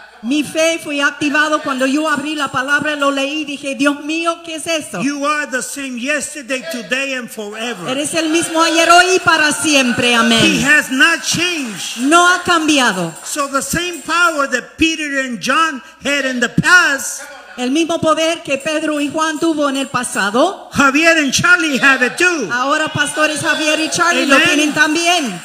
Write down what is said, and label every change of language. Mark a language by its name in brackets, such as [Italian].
[Spanish] Mi fe fue activado cuando yo abrí la palabra, lo leí y dije, Dios mío, ¿qué es eso? [English] You are the same yesterday, today and forever. [Spanish] Eres el mismo ayer, hoy y para siempre, amén. [English] He has not changed. [Spanish] No ha cambiado. [English] So the same power that Peter and John had in the past, [Spanish] el mismo poder que Pedro y Juan tuvo en el pasado, [English] Javier and Charlie have it too. [Spanish] Ahora pastores Javier y Charlie lo tienen también.